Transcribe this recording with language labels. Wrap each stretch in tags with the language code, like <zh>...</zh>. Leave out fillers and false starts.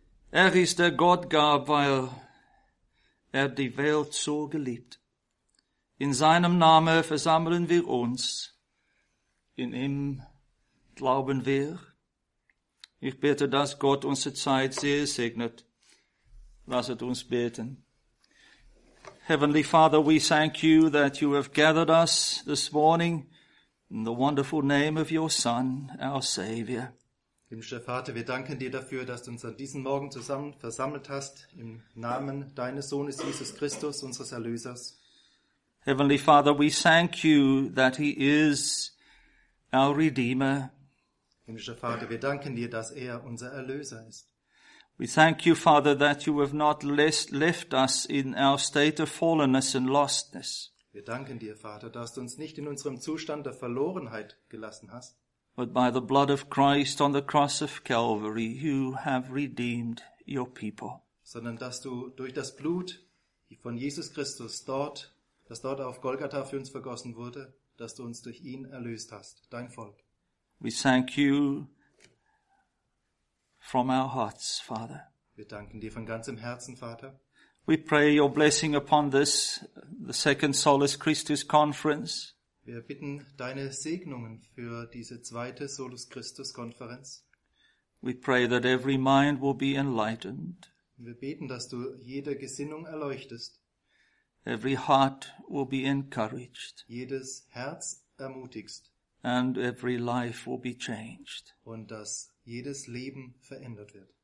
<de>Er ist der Gott gab, weil er die Welt so geliebt. In seinem Namen versammeln wir uns. In ihm glauben wir. Ich bete, dass Gott unsere Zeit sehr segnet. Lasset uns beten.</de> <en>Heavenly Father, we thank you that you have gathered us this morning in the wonderful name of your Son, our Savior.</en> <de>Himmlischer Vater, wir danken dir dafür, dass du uns an diesem Morgen zusammen versammelt hast im Namen deines Sohnes Jesus Christus, unseres Erlösers.</de> <en>Heavenly Father, we thank you that he is our Redeemer.</en> <de>Himmlischer Vater, wir danken dir, dass er unser Erlöser ist.</de> <en>We thank you, Father, that you have not left us in our state of fallenness and lostness.</en> <de>Wir danken dir, Vater, dass du uns nicht in unserem Zustand der Verlorenheit gelassen hast.</de> <en>But by the blood of Christ on the cross of Calvary, you have redeemed your people.</en> <de>Sondern dass du durch das Blut von Jesus Christus dort, das dort auf Golgatha für uns vergossen wurde, dass du uns durch ihn erlöst hast, dein Volk.</de> <en>We thank you from our hearts, Father.</en> <de>Wir danken dir von ganzem Herzen, Vater.</de> <en>We pray your blessing upon this, the second Solus Christus conference.</en> <de>Wir bitten deine Segnungen für diese zweite Solus Christus Konferenz.</de> <en>We pray that every mind will be enlightened.</en> <de>Wir beten, dass du jede Gesinnung erleuchtest.</de> <en>Every heart will be encouraged.</en> <de>Jedes Herz ermutigst.</de> <en>And every life will be changed.</en> <de>Und dass jedes Leben verändert wird.</de>